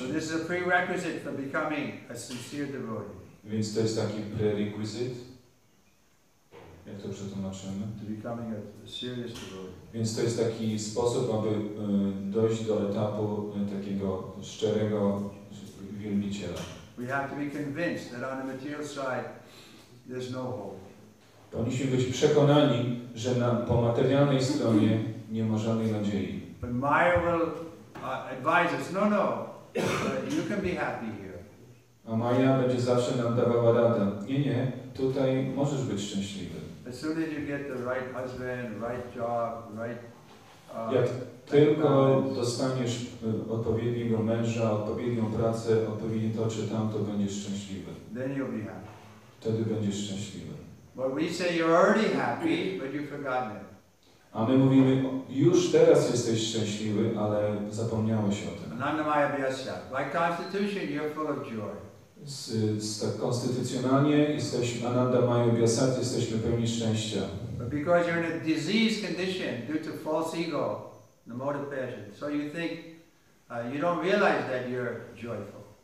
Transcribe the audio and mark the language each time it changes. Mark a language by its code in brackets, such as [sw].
[en] So this is a prerequisite for becoming a sincere devotee. [pl] Więc to jest taki prerequisit. Jak to przetłumaczymy? [en] To becoming a serious devotee. [pl] Więc to jest taki sposób, aby dojść do etapu takiego szczerego wielbiciela. [en] We have to be convinced that on the material side there's no hope. [pl] Powinniśmy być przekonani, że na, po materialnej stronie nie ma żadnej nadziei. [en] But Maya will advise us, no, you can be happy here. [pl] A Maya będzie zawsze nam dawała radę. Nie, tutaj możesz być szczęśliwy. [en] As soon as you get the right husband, right job, right... [pl] Jak tylko dostaniesz odpowiedniego męża, odpowiednią pracę, odpowiednie to czy tamto, będziesz szczęśliwy. [en] Then you'll be happy. [pl] Wtedy będziesz szczęśliwy. [en] But we say you're already happy, but you've forgotten it. [pl] A my mówimy, już teraz jesteś szczęśliwy, ale zapomniałeś o tym. [en] By constitution, you're full of joy. [pl] Konstytucjonalnie jesteś Ananda Maya Vyasat, jesteśmy pełni szczęścia. [en] But because you're in a diseased condition due to false ego, the mode of passion, so you think you don't realize that you're joyful.